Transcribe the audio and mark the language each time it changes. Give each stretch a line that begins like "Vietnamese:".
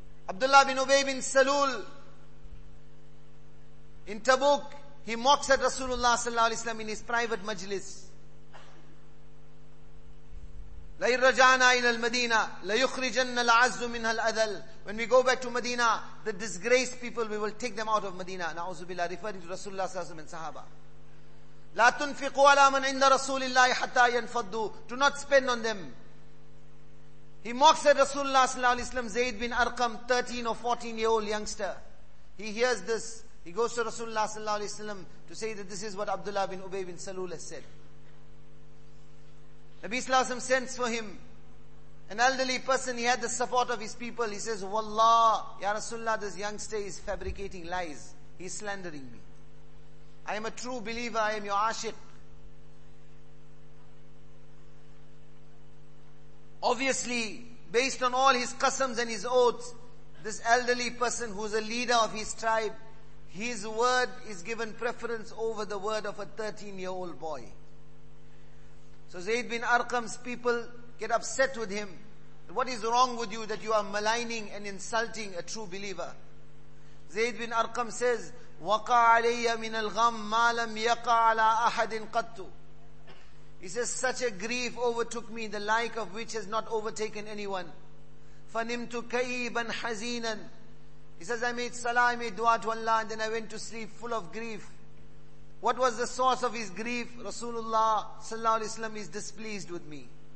English: Abdullah bin Ubay bin Salul in Tabuk, he mocks at Rasulullah sallallahu alaihi wasallam in his private majlis.
Arabic: لَيْرْ رَجَعْنَا إِلَى الْمَدِينَةِ لَيُخْرِجَنَّ الْعَزُّ مِنْهَا الْأَذَلِ
English: When we go back to Medina, the disgraced people, we will take them out of Medina.
Arabic: نَعُوذُ بِاللَّهِ
English: Referring to Rasulullah sallallahu alaihi wasallam and Sahaba.
Arabic: لا تنفقوا على من عند رسول الله حتى ينفضوا.
English: Do not spend on them. He mocks at Rasulullah sallallahu alaihi wasallam, Zaid bin Arqam, 13 or 14 year old youngster. He hears this. He goes to Rasulullah sallallahu alaihi wasallam to say that this is what Abdullah bin Ubay bin Salul has said. Nabi sallallahu alaihi wasallam sends for him, an elderly person. He had the support of his people. He says, Wallah, ya Rasulullah, this youngster is fabricating lies. He is slandering me. I am a true believer, I am your aashiq. Obviously, based on all his qasams and his oaths, this elderly person who is a leader of his tribe, his word is given preference over the word of a 13-year-old boy. So Zaid bin Arqam's people get upset with him. What is wrong with you that you are maligning and insulting a true believer? Zaid bin Arqam says,
Arabic: وقع علي من الغم ما لم يقع على احد قط.
English: He says, such a grief overtook me, the like of which has not overtaken anyone.
Arabic: فنمت كئيبا حزينا.
English: He says, I made salah, I made dua to Allah, and then I went to sleep full of grief. What was the source of his grief? Rasulullah sallallahu alaihi wasallam is displeased with me.